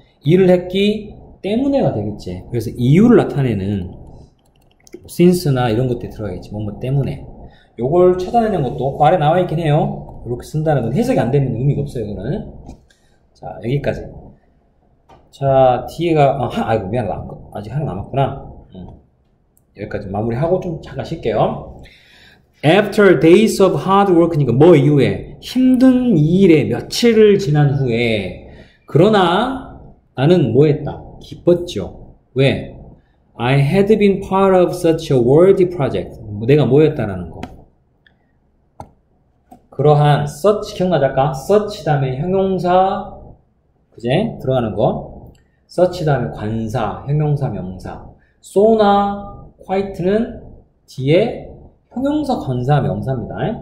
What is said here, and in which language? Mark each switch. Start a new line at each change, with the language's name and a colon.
Korean: 일을 했기 때문에가 되겠지. 그래서 이유를 나타내는 since나 이런 것들이 들어가겠지. 뭐뭐 때문에. 요걸 찾아내는 것도 말에 나와 있긴 해요. 이렇게 쓴다는 건 해석이 안 되는 의미가 없어요, 이거는. 자, 여기까지. 자, 뒤에가, 아이고, 미안, 아직 하나 남았구나. 여기까지 마무리하고 좀 잠깐 쉴게요.
English: After days of hard work니까
Korean: 뭐 이후에? 힘든 일에 며칠을 지난 후에. 그러나, 나는 뭐 했다? 기뻤죠. 왜?
English: I had been part of such a worthy project.
Korean: 내가 뭐 했다라는 거. 그러한 such 기억나지 않을까? such 다음에 형용사 그제? 들어가는 거 such 다음에 관사, 형용사, 명사 so나 quite는 뒤에 형용사, 관사, 명사입니다.